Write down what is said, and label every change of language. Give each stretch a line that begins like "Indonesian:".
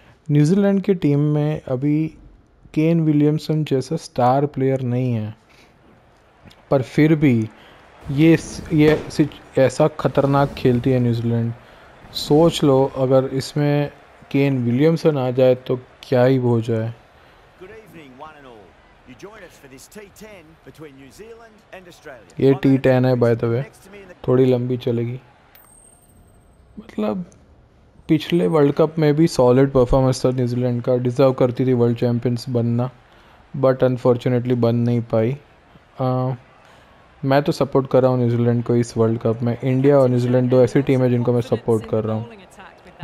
Hindi: New Zealand की team में अभी केन विलियमसन जैसा स्टार प्लेयर नहीं है, पर फिर भी ये ऐसा खतरनाक खेलती है न्यूजीलैंड। सोच लो अगर इसमें केन विलियमसन आ जाए तो क्या ही हो जाए।
English: You join us for this T10 between New Zealand and Australia.
Hindi: ये T10 है बाय द वे, थोड़ी लंबी चलेगी। मतलब पिछले वर्ल्ड कप में भी सॉलिड परफॉर्मेंस था न्यूजीलैंड का, डिजर्व करती थी वर्ल्ड चैंपियंस बनना, बट अनफॉर्चुनेटली बन नहीं पाई। मैं तो सपोर्ट कर रहा हूँ न्यूजीलैंड को इस वर्ल्ड कप में। इंडिया और न्यूजीलैंड दो ऐसी टीम है जिनको मैं सपोर्ट कर रहा हूँ।